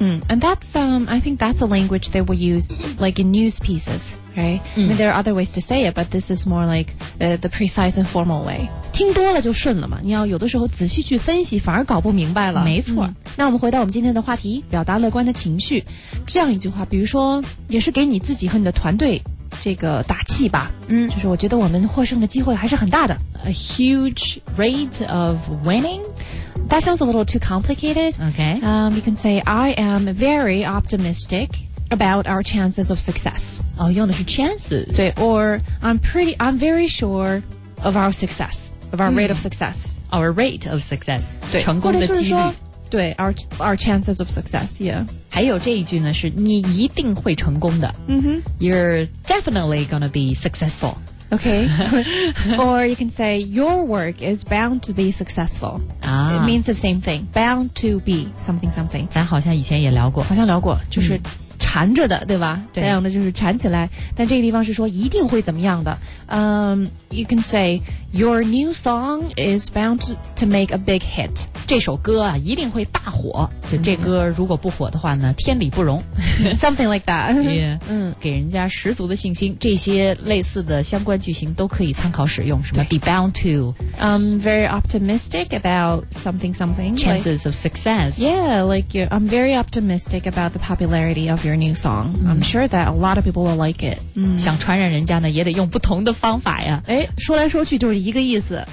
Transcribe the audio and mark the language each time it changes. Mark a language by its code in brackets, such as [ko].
[en] And that's, I think that's a language they will use like in news pieces. Right? I mean, there are other ways to say it, but this is more like the precise and formal way. [zh] 听多了就顺了嘛，你要有的时候仔细去分析反而搞不明白了。没错、嗯、那我们回到我们今天的话题，表达乐观的情绪，这样一句话，比如说也是给你自己和你的团队这个打气吧。嗯，就是我觉得我们获胜的机会还是很大的。 [en] A huge rate of winning? That sounds a little too complicated. Okay. You can say I am very optimisticabout our chances of success. [zh] 哦、oh, 用的是 chances. [en] 对 or I'm very sure of our success, of our、rate of success. Our rate of success. [zh] 对成功的几率。 [en] 对 our chances of success, yeah. [zh] 还有这一句呢是你一定会成功的。 Mm-hmm. [en] You're definitely gonna be successful. Okay. Or you can say your work is bound to be successful.、 Ah. It means the same thing. Bound to be something something. [zh] 咱好像以前也聊过。好像聊过就是、缠着的对吧，对，这样的就是缠起来，但这个地方是说一定会怎么样的。 [en] You can say your new song is bound to make a big hit. [zh] 这首歌啊一定会大火，就这歌如果不火的话呢天理不容。 [en] Something like that. Yeah. 嗯， [zh] 给人家十足的信心，这些类似的相关句型都可以参考使用，什么 [en] be bound to. Very optimistic about something something. Chances like, of success. Yeah, like I'm very optimistic about the popularity of your new song. I'm sure that a lot of people will like it. [zh] 想传染人家呢也得用不同的方法呀。哎，说来说去就是一个意思。